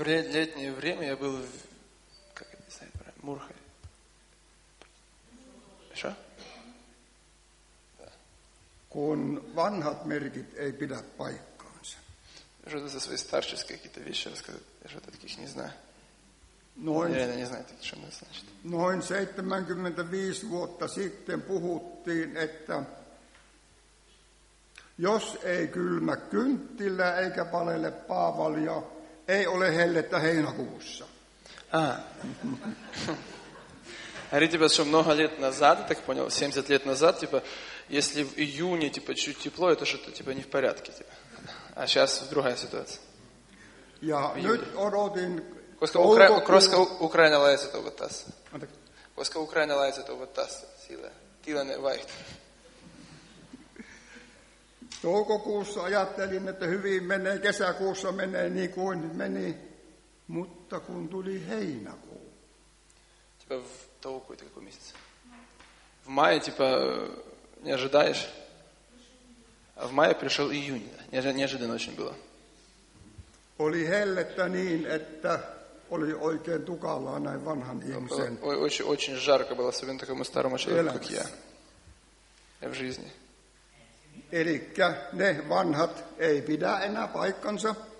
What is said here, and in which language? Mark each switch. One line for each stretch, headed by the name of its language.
Russian: Летнее время я был, как это называется, murheellinen. Что?
Finnish: Kun vanhat merkit ei pidä paikkaansa.
Russian: Что-то со своей старческой какие-то вещи рассказывать, что-то таких не знаю.
Finnish: Noin 75 vuotta sitten puhuttiin, että jos ei kylmä kynttilä eikä palele paavalia, ei ole hellettä heinäkuussa.
Russian: Говорит, типа, что много лет назад, так понял, 70 лет назад, типа, если в июне, типа, чуть тепло, это что-то, типа, не в порядке, типа. А сейчас другая ситуация.
Finnish: Ja nyt odotin... Koska ukrainalaiset ovat tässä. Koska ukrainalaiset ovat tässä, sillä tilanne vaihtuu. Toukokuussa ajattelin, että hyvin menee, kesäkuussa menee niin kuin meni, mutta kun tuli heinäkuu.
Russian: Типа в толку это какой месяц? В мае типа не ожидаешь. А в мае пришёл июнь. Неожиданно очень было.
Finnish: Oli hellettä niin, että oli oikein tukalaa näin vanhan ihmisen.
Russian: Очень жарко было, особенно такому старому человеку, как я. В жизни.
Finnish: Elikkä ne vanhat ei pidä enää paikkansa.